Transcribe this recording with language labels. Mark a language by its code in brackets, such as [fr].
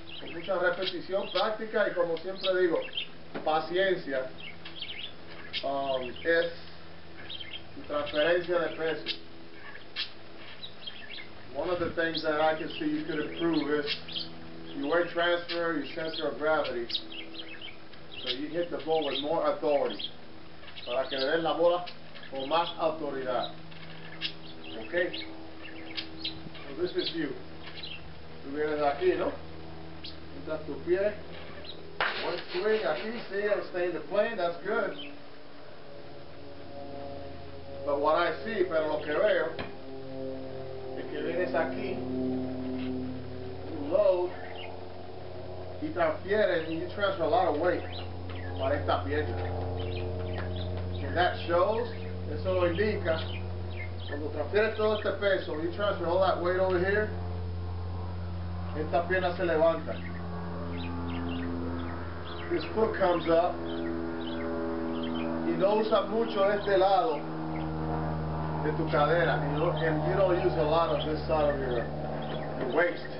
[es] Con mucha repetición, práctica y como siempre digo, paciencia es transferencia de peso. [en] One of the things that I can see you could improve is your weight transfer, your center of gravity. So you hit the ball with more authority. [es] Para que le den la bola con más autoridad. [en] Okay? So this is you. [es] Tú vienes aquí, ¿no? [en] That's [es] tu pie. [en] One swing, [es] aquí, [en] see, I'm staying the plane, that's good. But what I see, [es] pero lo que veo, es que vienes aquí, [en] to load, [es] y transfieres, [en] and you transfer a lot of weight [es] para esta piedra. [en] And that shows, [es] eso lo indica, cuando transfieres todo este peso, [en] you transfer all that weight over here, [es] esta pierna se levanta. [en] His foot comes up. [es] Y no usa mucho este lado de tu cadera. [en] And you don't use a lot of this side of your waist.